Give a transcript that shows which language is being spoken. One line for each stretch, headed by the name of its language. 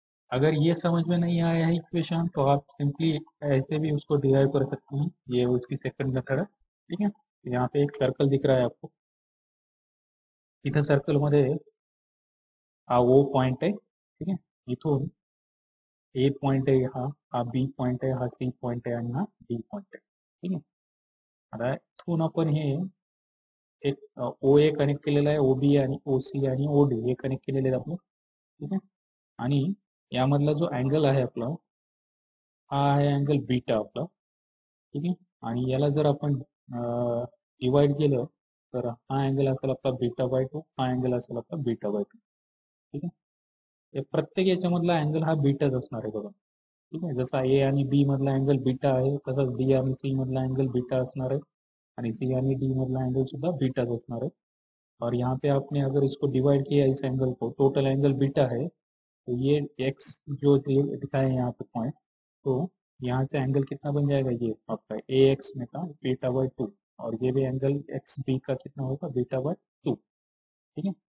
Hindi: अगर ये समझ में नहीं आया है इक्वेशन, तो आप सिंपली ऐसे भी उसको डिराइव कर सकते हैं, ये उसकी सेकंड मेथड है, ठीक है। यहाँ पे एक सर्कल दिख रहा है आपको, इधर सर्कल मध्य हा वो पॉइंट है, ठीक है, इथून ए पॉइंट है, यहाँ हा बी पॉइंट है, हा सी पॉइंट है, आणि हा डी पॉइंट है, ठीक है।
Marathi: आता इथून आपण हे एक ओ ए कनेक्ट केलेला आहे, ओ बी आणि ओ सी आणि ओ डी हे कनेक्ट केलेले आहेत आपण, ठीक है। आणि यामधला जो अँगल आहे आपला हा आहे अँगल बीटा आपला, ठीक है। आणि याला जर आपण डिवाइड केलं तर हा अँगल असेल आपला बीटा बाय टू, हा अँगल असेल आपला बीटा बाय टू, ठीक है। प्रत्येक याच्यामधला अँगल हा बीटाच असणार आहे बघा, ठीक आहे। जसा ए आणि बी मधला अँगल बीटा आहे, तसाच डी आणि सी मधला अँगल बीटा असणार आहे, आणि सी आणि डी मधला अँगल सुद्धा बीटाच असणार आहे।
Hindi: और यहाँ पे आपने अगर इसको डिवाइड किया इस अँगल को, टोटल अँगल बीटा है, तो ये एक्स जो दिखाए यहाँ पे पॉइंट, तो यहाँ से अँगल कितना बन जाएगा, ये आपका ए एक्स में था बीटा बाय टू, और ये भी एंगल एक्स बी का कितना होगा, बीटा बाय टू, ठीक है।